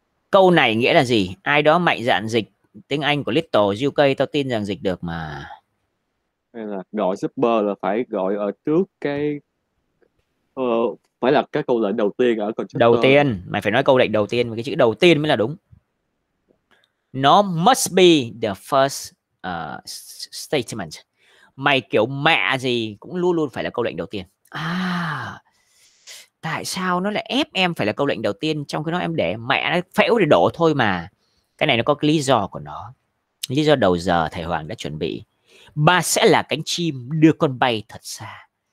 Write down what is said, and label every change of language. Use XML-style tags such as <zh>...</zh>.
<vi>Câu này nghĩa là gì? Ai đó mạnh dạn dịch tiếng Anh của Little UK, tao tin rằng dịch được mà. Là gọi super là phải gọi ở trước cái phải là cái câu lệnh đầu tiên ở constructor. Đầu tiên, mày phải nói câu lệnh đầu tiên, cái chữ đầu tiên mới là đúng. Nó</vi> <en>must be the first statement.</en> <vi>Mày kiểu mẹ gì cũng luôn luôn phải là câu lệnh đầu tiên. À, tại sao nó lại ép em phải là câu lệnh đầu tiên, trong khi nó em để mẹ nó phễu để đổ thôi mà. Cái này nó có cái lý do của nó. Lý do đầu giờ thầy Hoàng đã chuẩn bị. Bà sẽ là cánh chim đưa con bay thật xa.</vi>